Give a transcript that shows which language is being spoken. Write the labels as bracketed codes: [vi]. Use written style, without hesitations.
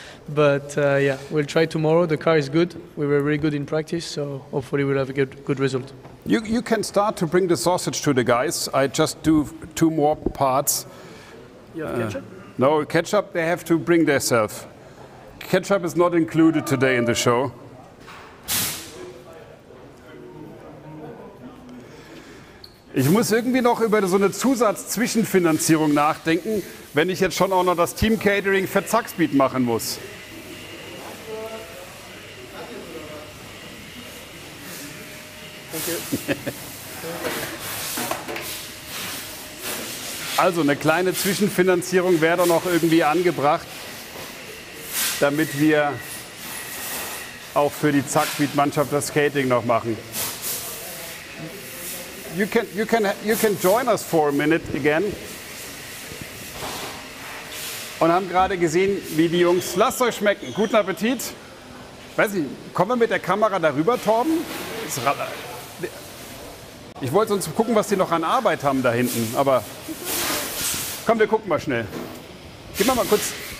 [en] But yeah, we'll try tomorrow. The car is good. We were really good in practice, so hopefully we'll have a good result. You can start to bring the sausage to the guys. I just do two more parts. You have ketchup? No, ketchup they have to bring themselves. Ketchup is not included today in the show. [de] Ich muss irgendwie noch über so eine Zusatzzwischenfinanzierung nachdenken, wenn ich jetzt schon auch noch das Team Catering für Zackspeed machen muss. Also eine kleine Zwischenfinanzierung wäre doch noch irgendwie angebracht, damit wir auch für die Zackspeed-Mannschaft das Catering noch machen. [en] You can join us for a minute again. [de] Und haben gerade gesehen, wie die Jungs, lasst euch schmecken. Guten Appetit. Weiß nicht, kommen wir mit der Kamera darüber, Torben? Ich wollte sonst gucken, was die noch an Arbeit haben da hinten. Aber komm, wir gucken mal schnell. Gib mal kurz.